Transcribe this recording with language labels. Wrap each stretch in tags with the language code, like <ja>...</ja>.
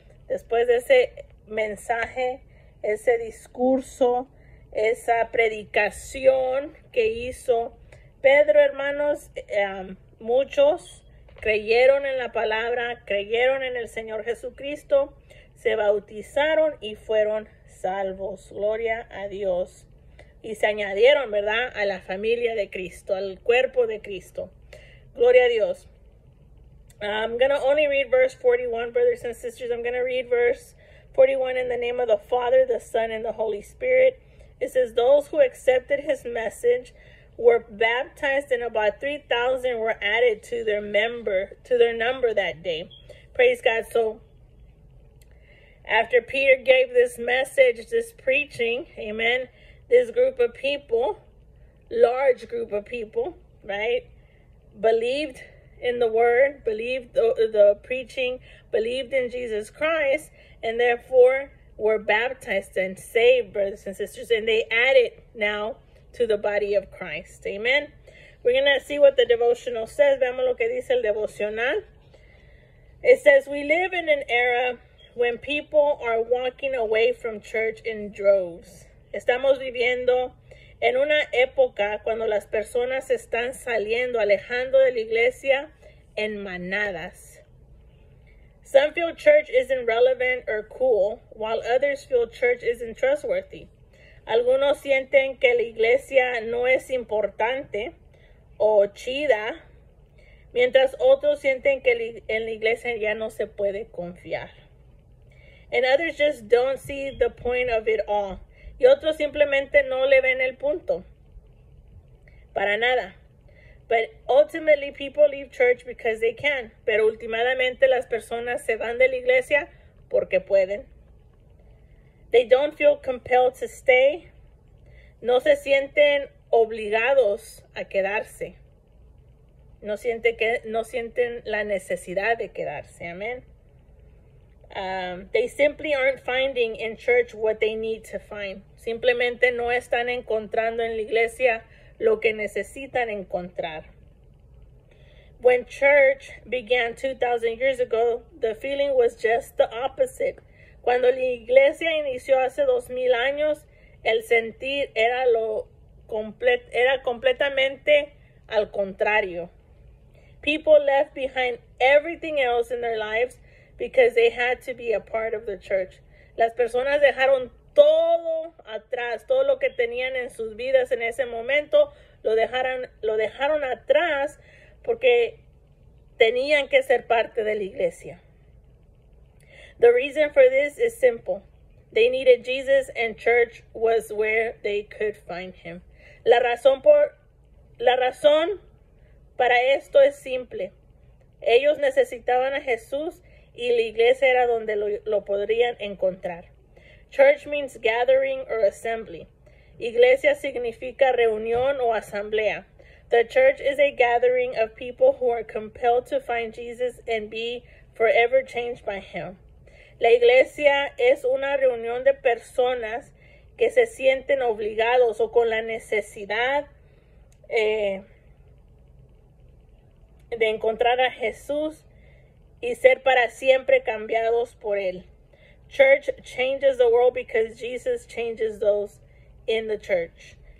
<es>Después de ese mensaje, ese discurso, esa predicación que hizo Pedro, hermanos, muchos creyeron en la palabra, creyeron en el Señor Jesucristo, se bautizaron y fueron salvos. Gloria a Dios. Y se añadieron, ¿verdad?, a la familia de Cristo, al cuerpo de Cristo. Gloria a Dios.</es> <en>I'm going to only read verse 41, brothers and sisters. I'm going to read verse 41 in the name of the Father, the Son, and the Holy Spirit. It says, those who accepted his message were baptized, and about 3,000 were added to their number that day. Praise God. So after Peter gave this message, this preaching, amen, this group of people, large group of people, right, believed in the word, believed the preaching, believed in Jesus Christ, and therefore were baptized and saved, brothers and sisters, and they added now to the body of Christ. Amen. We're going to see what the devotional says.</en> <es>Veamos lo que dice el devocional.</es> <en>It says, we live in an era when people are walking away from church in droves.</en> <es>Estamos viviendo en una época cuando las personas están saliendo, alejando de la iglesia en manadas.</es> <en>Some feel church isn't relevant or cool, while others feel church isn't trustworthy.</en> <es>Algunos sienten que la iglesia no es importante o chida, mientras otros sienten que en la iglesia ya no se puede confiar.</es> <en>And others just don't see the point of it all.</en> <es>Y otros simplemente no le ven el punto. Para nada.</es> <en>But ultimately, people leave church because they can.</en> <es>Pero últimamente, las personas se van de la iglesia porque pueden.</es> <en>They don't feel compelled to stay.</en> <es>No se sienten obligados a quedarse. No sienten la necesidad de quedarse. Amen.</es> <en>They simply aren't finding in church what they need to find.</en> <es>Simplemente no están encontrando en la iglesia lo que necesitan encontrar.</es> <en>When church began 2,000 years ago, the feeling was just the opposite.</en> <es>Cuando la iglesia inició hace 2,000 años, el sentir era completamente al contrario.</es> <en>People left behind everything else in their lives because they had to be a part of the church.</en> <es>Las personas dejaron todo atrás, todo lo que tenían en sus vidas en ese momento, lo dejaron atrás porque tenían que ser parte de la iglesia.</es> <en>The reason for this is simple. They needed Jesus and church was where they could find him.</en> <es>La razón Para esto es simple. Ellos necesitaban a Jesús y la iglesia era donde lo podrían encontrar.</es> <en>Church means gathering or assembly.</en> <es>Iglesia significa reunión o asamblea.</es> <en>The church is a gathering of people who are compelled to find Jesus and be forever changed by him.</en> <es>La iglesia es una reunión de personas que se sienten obligados o con la necesidad de encontrar a Jesús y ser para siempre cambiados por él.</es> <en>Church changes the world because Jesus changes those in the church.</en>